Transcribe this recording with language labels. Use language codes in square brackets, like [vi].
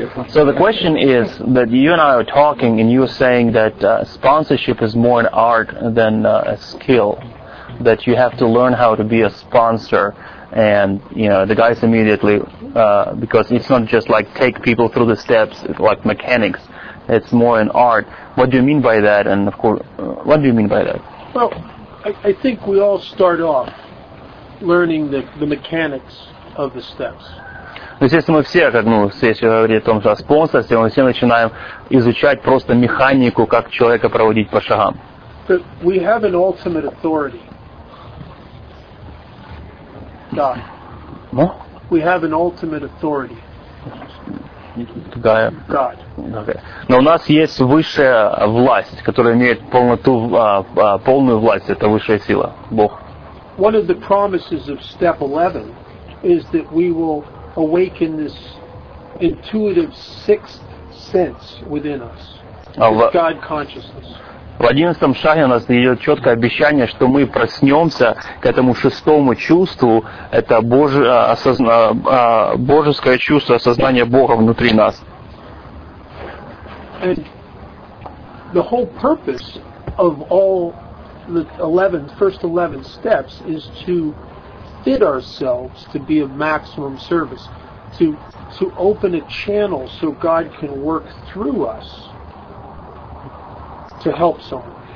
[en] So the question is that you and I are talking and you're saying that sponsorship is more an art than a skill, that you have to learn how to be a sponsor, and you know the guys immediately, because it's not just like take people through the steps like mechanics, it's more an art. What do you mean by that? And of course, what do you mean by that? Well, I think we all start off learning the mechanics of the steps. [ru] Ну, естественно, мы все, как, ну, если говорить о том, что о спонсорстве, мы все начинаем изучать просто механику, как человека проводить по шагам. [en] But we have an ultimate authority. God. No? We have an ultimate authority. [ru] Какая? [en] God. Okay. [ru] Но у нас есть высшая власть, которая имеет полноту, полную власть, это высшая сила, Бог. [en] One of the promises of step 11 is that we will awaken this intuitive sixth sense within us, this God consciousness. [ru] В 11-м шаге у нас идет четкое обещание, что мы проснемся к этому шестому чувству, это божеское чувство осознания Бога внутри нас. [en] And the whole purpose of all the 11, first 11 steps is to fit ourselves to be of maximum service. To open a channel so God can work through us to help someone.